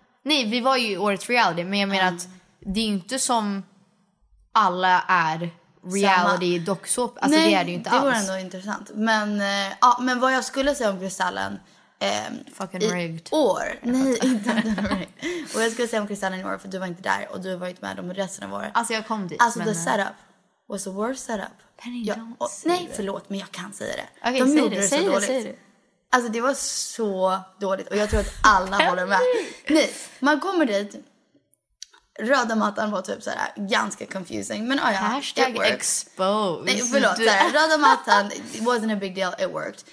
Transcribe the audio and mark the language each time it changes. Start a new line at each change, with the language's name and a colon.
Swedish: Nej, vi var ju årets reality. Men jag menar att det är inte som alla är reality docksåp. Alltså nej, det är det ju inte det alls. Det var ändå intressant. Men, ja, men vad jag skulle säga om Kristallen...
English: fucking rigged.
Swedish: År. Nej, inte rigged. Och jag skulle säga om Kristallen i år, för du var inte där. Och du har varit med dem resten av året. Alltså jag kom dit. Alltså men,
English: the setup was the worst setup.
Swedish: Penny, jag, och, nej, förlåt, men jag kan säga det. Okej, okay, säg det. Alltså det var så dåligt. Och jag tror att alla håller med. Nej, man kommer dit. Röda mattan var typ såhär ganska confusing. Men oh ja, hashtag exposed. Nej, förlåt, såhär, röda mattan,
English: it wasn't a big deal, it worked.